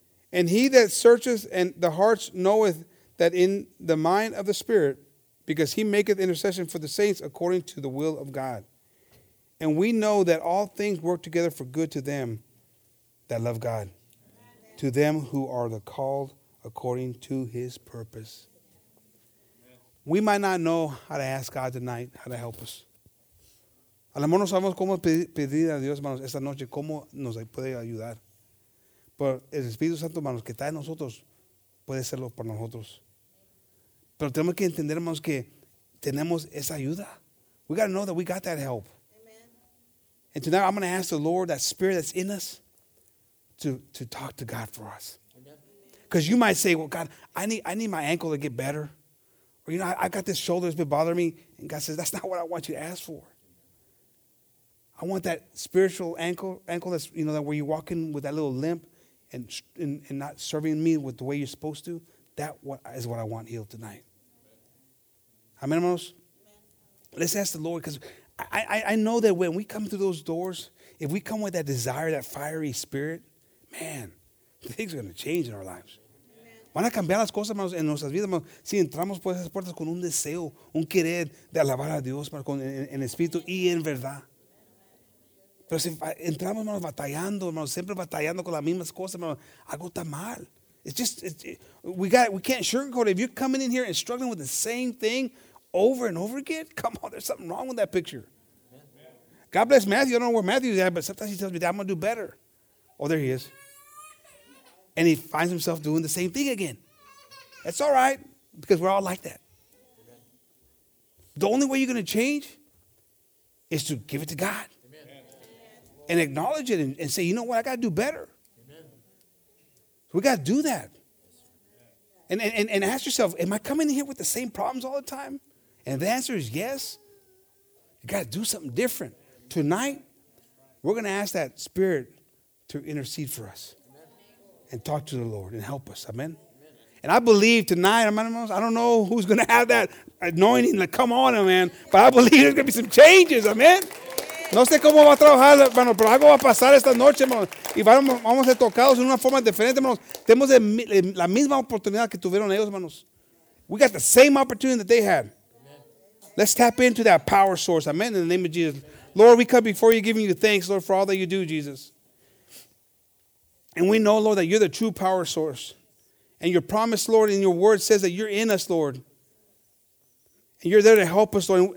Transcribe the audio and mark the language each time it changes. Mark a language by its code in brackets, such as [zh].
[en] And he that searcheth and the hearts knoweth that in the mind of the Spirit, because he maketh intercession for the saints according to the will of God. And we know that all things work together for good to them that love God, to them who are the called according to his purpose. We might not know how to ask God tonight how to help us. [es] A lo mejor no sabemos cómo pedir a Dios, hermanos, esta noche, cómo nos puede ayudar. Pero el Espíritu Santo, hermanos, que está en nosotros, puede serlo para nosotros. Pero tenemos que entender, hermanos, que tenemos esa ayuda. [en] We got to know that we got that help. Amen. And tonight I'm going to ask the Lord, that Spirit that's in us, to talk to God for us. Because you might say, well, God, I need my ankle to get better. Or, you know, I got this shoulder that's been bothering me. And God says, that's not what I want you to ask for. I want that spiritual ankle that's, you know, that where you're walking with that little limp and not serving me with the way you're supposed to. That is what I want healed tonight. Amen, hermanos? Let's ask the Lord, because I know that when we come through those doors, if we come with that desire, that fiery spirit, man, things are going to change in our lives. [es] Van a cambiar las cosas, hermanos, en nuestras vidas, hermanos, si entramos por esas puertas con un deseo, un querer de alabar a Dios en espíritu y en verdad. Pero si entramos, hermanos, batallando, hermanos, siempre batallando con las mismas cosas, hermanos, algo está mal. [en] We can't sugarcoat it. If you're coming in here and struggling with the same thing over and over again, come on, there's something wrong with that picture. God bless Matthew. I don't know where Matthew's at, but sometimes he tells me that I'm going to do better. Oh, there he is. And he finds himself doing the same thing again. That's all right, because we're all like that. The only way you're going to change is to give it to God. And acknowledge it and say, you know what, I got to do better. Amen. We got to do that. And ask yourself, am I coming here with the same problems all the time? And if the answer is yes, you got to do something different. Tonight, we're going to ask that Spirit to intercede for us. Amen. And talk to the Lord and help us. Amen? Amen. And I believe tonight, I don't know who's going to have that anointing. Like, come on, man. But I believe there's going to be some changes. Amen? [es] No sé cómo va a trabajar, hermano, pero algo va a pasar esta noche, hermano. Y vamos a ser tocados en una forma diferente, hermanos. Tenemos la misma oportunidad que tuvieron ellos, hermanos. [en] We got the same opportunity that they had. Amen. Let's tap into that power source. Amen. In the name of Jesus. Amen. Lord, we come before you giving you thanks, Lord, for all that you do, Jesus. And we know, Lord, that you're the true power source. And your promise, Lord, and your word says that you're in us, Lord. And you're there to help us, Lord.